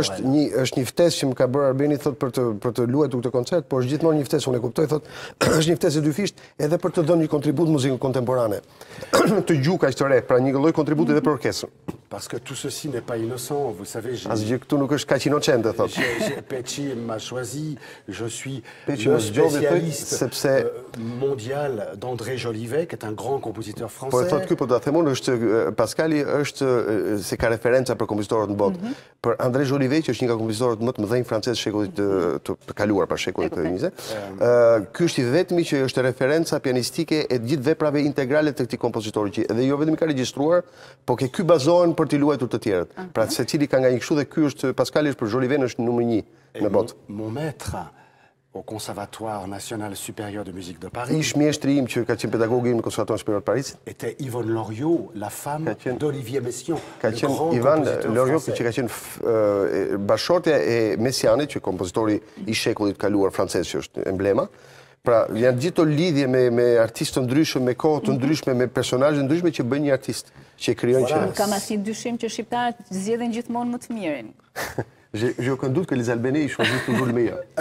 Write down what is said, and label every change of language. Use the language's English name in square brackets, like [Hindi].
[Albanian] Është një, është një ftesë që më ka bërë Arbeni thot për të luajtur këtë koncert, por është gjithmonë një ftesë, unë e kuptoj, thot, është një ftesë e dyfisht edhe për të dhënë një kontribut muzikë kontemporane. Të gjuka që të re, pra një lloj kontributi edhe për orkestrën. [French] Parce que tout ceci n'est pas innocent, vous savez. [Albanian] Asgjë këtu nuk është kaq innocent, thot. [French] Peçi m'a choisi, je suis le spécialiste mondial d'André Jolivet, qui est un grand compositeur français. [Albanian] Por thot ky po ta themon është Pascali është se ka referenca për kompozitorët në botë. Për André Jolivet, që është një nga kompozitorët më të mëdhenj francez shekullit të kaluar, pa shekullit të 20. Ky është i vetmi që është referenca pianistike e gjithë veprave integrale të këtij kompozitori, që edhe jo vetëm i ka regjistruar, por ke ky bazo për t'i luajtur të tjerët. Pra secili ka nga një kështu dhe ky është Pascali është për Jolivet është numri 1 në botë. [French] Mon maître au Conservatoire National Supérieur de Musique de Paris. [Albanian] Ish mjeshtri im që ka qenë pedagog im në Konservatorin Superior të Parisit. [French] Était Yvonne Loriot, la femme d'Olivier Messiaen. [Albanian] Ka qenë Yvonne Loriot që ka qenë bashortja e Messiaenit, që kompozitori i shekullit kaluar francez që është emblema. Pra janë gjithë këto lidhje me artistë ndryshëm, me kohë të ndryshme, me personazhe ndryshme që bëjnë një artist. Që krijojnë që ka masi dyshim që shqiptarët zgjedhin gjithmonë më të mirin. [French] Je aucun doute que les Albanais ils choisissent toujours le meilleur.